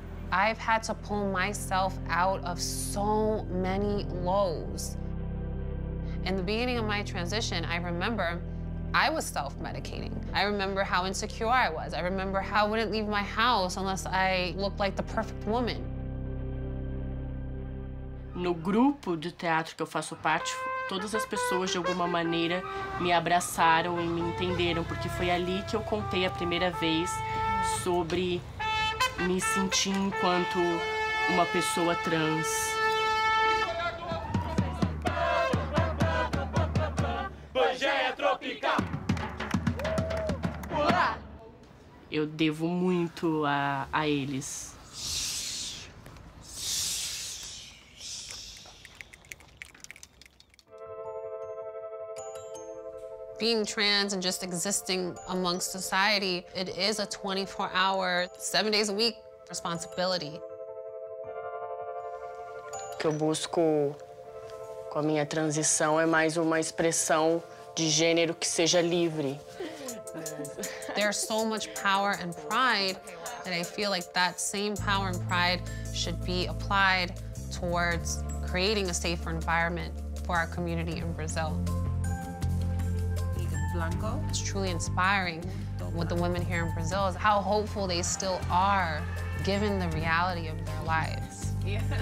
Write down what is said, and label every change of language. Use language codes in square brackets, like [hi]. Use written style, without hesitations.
[en] I've had to pull myself out of so many lows. In the beginning of my transition, I remember I was self-medicating. I remember how insecure I was. I remember how I wouldn't leave my house unless I looked like the perfect woman. [pt] No grupo de teatro que eu faço parte, todas as pessoas de alguma maneira me abraçaram e me entenderam, porque foi ali que eu contei a primeira vez sobre me senti enquanto uma pessoa trans. Eu devo muito a eles. [en] Being trans and just existing amongst society, it is a 24-hour, 7 days a week responsibility. [pt] O que eu busco com a minha transição é mais uma expressão de gênero que seja livre. [en] There's so much power and pride that I feel like that same power and pride should be applied towards creating a safer environment for our community in Brazil. It's truly inspiring with the women here in Brazil is how hopeful they still are given the reality of their lives. Yeah.